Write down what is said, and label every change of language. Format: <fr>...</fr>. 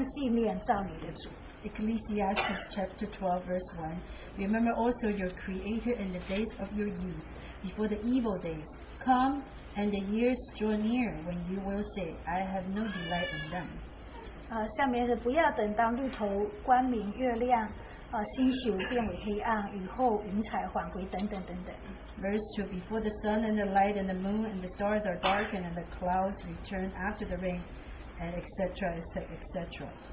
<zh>他说，十二章第一节，你趁着年幼衰败的日子尚未来到，就是你所说，我毫无喜乐的那些年日未曾宁静之先，当纪念造你的主。Ecclesiastes</zh> <en>chapter 12 verse 1. Remember also your Creator in the days of your youth, before the evil days come and the years draw near when you will say, I have no delight in them.</en> <zh>下面是不要等到绿头光明月亮。星宿变为黑暗，雨后云彩返回，等等等等。</zh> <en>Verse 2, before the sun and the light and the moon and the stars are darkened and the clouds return after the rain, and etc., etc.</en>